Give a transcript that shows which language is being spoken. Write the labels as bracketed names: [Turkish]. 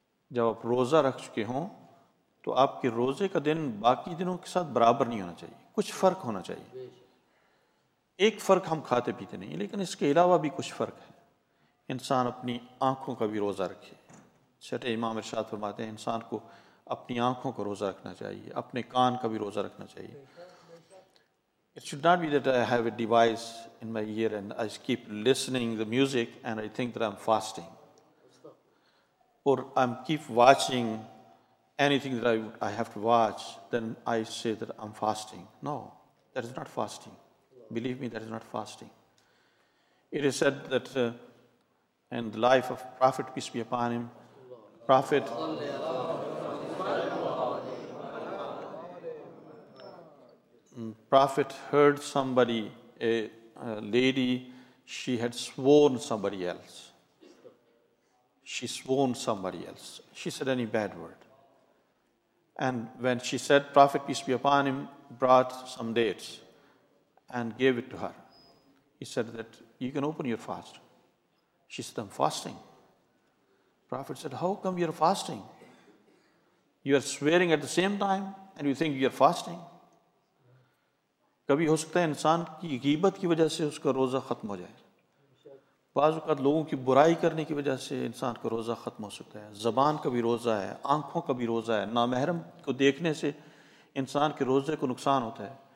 [Urdu] جب آپ روزہ رکھ چکے ہوں تو آپ کے روزے کا دن باقی دنوں کے ساتھ برابر نہیں ہونا چاہیے, کچھ فرق ہونا چاہیے. ایک فرق ہم کھاتے پیتے نہیں, لیکن اس کے علاوہ بھی کچھ فرق ہے. انسان اپنی آنکھوں کا بھی روزہ رکھے. چھٹے امام ارشاد فرماتے ہیں, انسان کو اپنی آنکھوں کا روزہ رکھنا چاہیے, اپنے کان کا بھی روزہ رکھنا چاہیے. [English] It should not be that I have a device in my ear and I keep listening the music and I think that I'm fasting or I'm keep watching anything that I have to watch, then I say that I'm fasting. No, that is not fasting. Believe me, that is not fasting. It is said that in the life of Prophet, peace be upon him, Prophet, Prophet heard somebody, a lady, she had sworn somebody else. she sworn somebody else, she said any bad word. And when she said, Prophet, peace be upon him, brought some dates and gave it to her. He said that, you can open your fast. She said, I'm fasting. Prophet said, how come you're fasting? You are swearing at the same time and you think you're fasting. [Urdu] کبھی ہو سکتا ہے انسان کی غیبت کی وجہ سے اس کا روزہ ختم ہو جائے, بعض اوقات لوگوں کی برائی کرنے کی وجہ سے انسان کا روزہ ختم ہو سکتا ہے. زبان کا بھی روزہ ہے, آنکھوں کا بھی روزہ ہے, نامحرم کو دیکھنے سے انسان کے روزے کو نقصان ہوتا ہے.